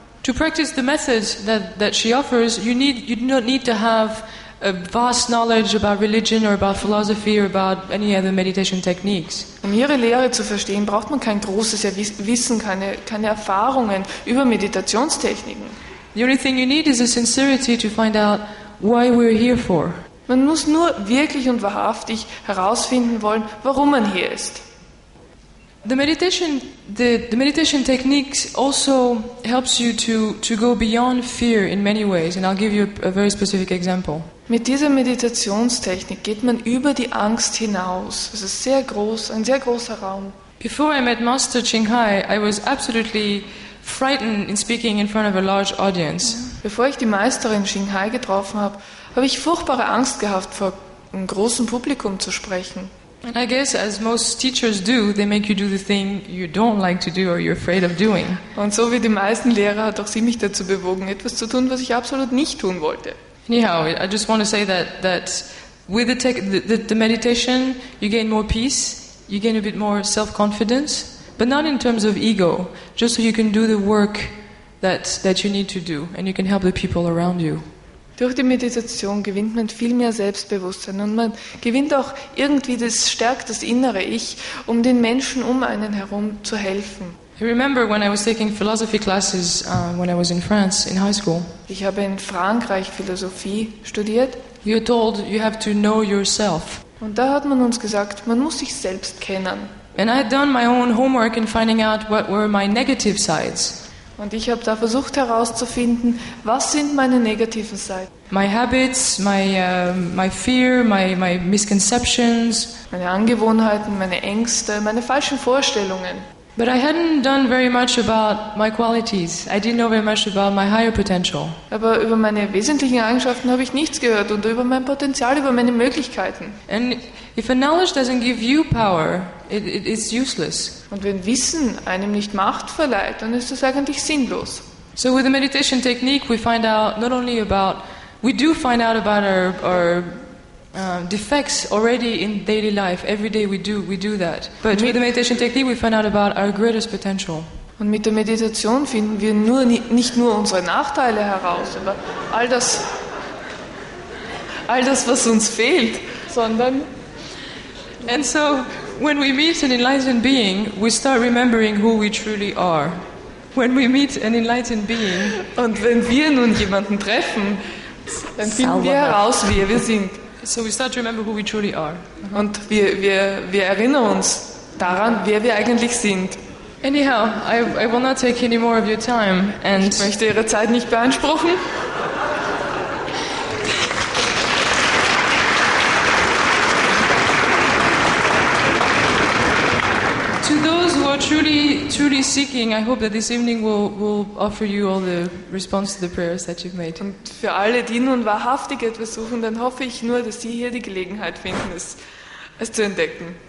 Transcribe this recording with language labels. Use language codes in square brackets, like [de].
[en] To practice the methods that she offers, you do not need to have a vast knowledge about religion or about philosophy or about any other meditation techniques. [de] Um ihre Lehre zu verstehen, braucht man kein großes Wissen, keine Erfahrungen über Meditationstechniken. [en] The only thing you need is a sincerity to find out why we're here for. [de] Man muss nur wirklich und wahrhaftig herausfinden wollen, warum man hier ist. [en] The meditation techniques also helps you to go beyond fear in many ways, and I'll give you a very specific example. [de] Mit dieser Meditationstechnik geht man über die Angst hinaus. Es ist sehr groß, ein sehr großer Raum. [en] Before I met Master Qinghai, I was absolutely frightened in speaking in front of a large audience. [de] Bevor ich die Meisterin Qinghai getroffen habe, habe ich furchtbare Angst gehabt, vor einem großen Publikum zu sprechen. [en] And I guess, as most teachers do, they make you do the thing you don't like to do or you're afraid of doing. [de] Und so wie die meisten Lehrer hat auch sie mich dazu bewogen, etwas zu tun, was ich absolut nicht tun wollte. [en] Anyhow, I just want to say that with the meditation, you gain more peace, you gain a bit more self-confidence, but not in terms of ego, just so you can do the work that you need to do and you can help the people around you. [de] Durch die Meditation gewinnt man viel mehr Selbstbewusstsein und man gewinnt auch irgendwie das stärkt das innere Ich, um den Menschen um einen herum zu helfen. [en] I remember when I was taking philosophy classes when I was in France in high school. [de] Ich habe in Frankreich Philosophie studiert. [en] You're told you have to know yourself. [de] Und da hat man uns gesagt, man muss sich selbst kennen. [en] And I had done my own homework in finding out what were my negative sides. [de] Und ich habe da versucht herauszufinden, was sind meine negativen Seiten? [en] My habits, my fear, my misconceptions. [de] Meine Angewohnheiten, meine Ängste, meine falschen Vorstellungen. [en] But I hadn't done very much about my qualities. I didn't know very much about my higher potential. [de] Aber über meine wesentlichen Eigenschaften habe ich nichts gehört und über mein Potenzial, über meine Möglichkeiten. [en] And if a knowledge doesn't give you power, it is useless. [de] Und wenn Wissen einem nicht Macht verleiht, dann ist das eigentlich sinnlos. [en] So with the meditation technique, we find out not only about, we do find out about our defects already in daily life. Every day we do that. But with the meditation technique, we find out about our greatest potential. [de] Und mit der Meditation finden wir nur nicht nur unsere Nachteile heraus, aber all das, was uns fehlt, sondern. [en] And so, when we meet an enlightened being, we start remembering who we truly are. When we meet an enlightened being. [de] Und wenn wir nun jemanden treffen, dann finden wir heraus, wer wir sind. [en] So we start to remember who we truly are. Uh-huh. [de] Und wir erinnern uns daran, wer wir eigentlich sind. [en] Anyhow, I will not take any more of your time. [de] And ich möchte Ihre Zeit nicht beanspruchen. [en] To those who are truly, truly seeking, I hope that this evening will offer you all the response to the prayers that you've made. [de] Und für alle, die nun wahrhaftig etwas suchen, dann hoffe ich nur, dass Sie hier die Gelegenheit finden, es zu entdecken.